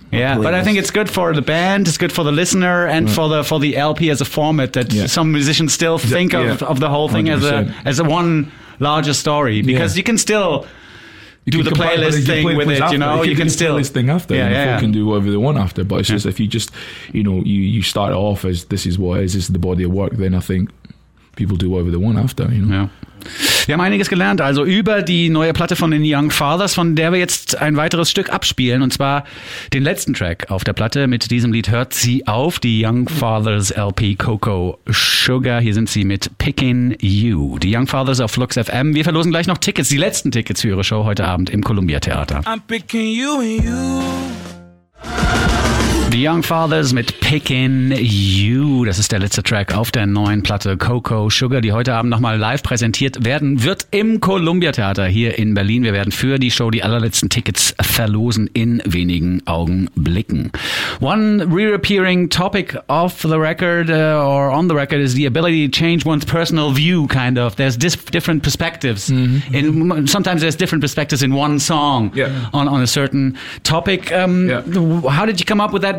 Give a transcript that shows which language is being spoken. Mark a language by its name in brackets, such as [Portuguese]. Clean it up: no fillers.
[English] Yeah, but I think it's good for the band, it's good for the listener, and for the LP as a format that some musicians still think of the whole thing 100%. as a one larger story, because you can still do the playlist thing with it, you know, you can still this thing after, yeah, yeah, can do whatever they want after, but it's just if you just, you know, you start off as this is what it is, this is the body of work, then I think people do whatever they want after, you know. [German] Wir haben einiges gelernt, also über die neue Platte von den Young Fathers, von der wir jetzt ein weiteres Stück abspielen, und zwar den letzten Track auf der Platte. Mit diesem Lied hört sie auf, die Young Fathers LP Coco Sugar. Hier sind sie mit Picking You. Die Young Fathers auf Flux FM. Wir verlosen gleich noch Tickets, die letzten Tickets für ihre Show heute Abend im Columbia Theater. [English] I'm picking you and you. The Young Fathers mit Picking You. [German] Das ist der letzte Track auf der neuen Platte Coco Sugar, die heute Abend nochmal live präsentiert werden wird im Columbia Theater hier in Berlin. Wir werden für die Show die allerletzten Tickets verlosen in wenigen Augenblicken. [English] One reappearing topic off the record or on the record is the ability to change one's personal view, kind of. There's different perspectives. Mm-hmm. In, sometimes there's different perspectives in one song on a certain topic. How did you come up with that?